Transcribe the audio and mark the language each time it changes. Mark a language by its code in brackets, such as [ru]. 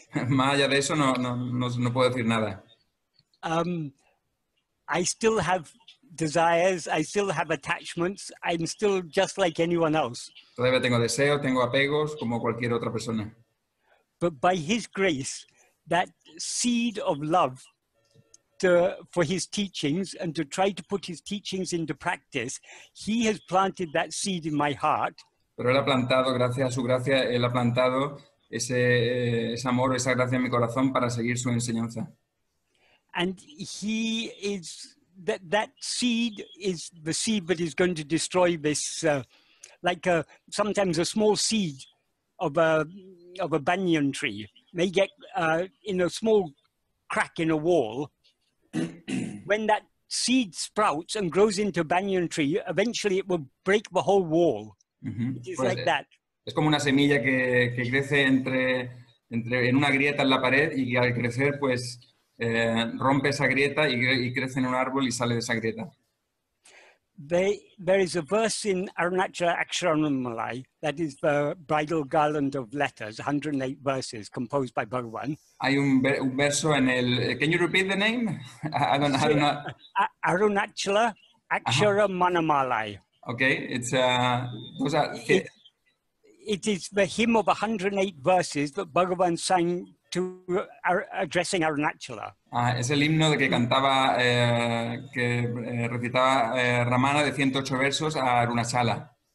[es] Más allá de eso, no puedo decir nada. [en] I still have desires, I still have attachments, I'm still just like anyone else. [es] Todavía tengo deseos, tengo apegos, como cualquier otra persona. [en] But by his grace, that seed of love for his teachings and to try to put his teachings into practice, he has planted that seed in my heart. [es] Pero él ha plantado, gracias a su gracia, él ha plantado ese amor, esa gracia en mi corazón para seguir su enseñanza. [en] And he is, that seed is the seed that is going to destroy this, sometimes a small seed of a banyan tree may get in a small crack in a wall. When that seed sprouts and grows into a banyan tree, eventually it will break the whole wall. It is pues, like that. [es] Es como una semilla que crece entre en una grieta en la pared y al crecer pues rompe esa grieta y crece en un árbol y sale de esa grieta. [en] There is a verse in Arunachala Aksharanamalai, that is the bridal garland of letters, 108 verses composed by Bhagavan. [es] Hay un verso en el... [en] Can you repeat the name? I don't know. Arunachala Aksharanamalai. Okay, it is the hymn of 108 verses that Bhagavan sang addressing Arunachala. [es] Es el himno de que cantaba, que recitaba Ramana de 108 versos a Arunachala.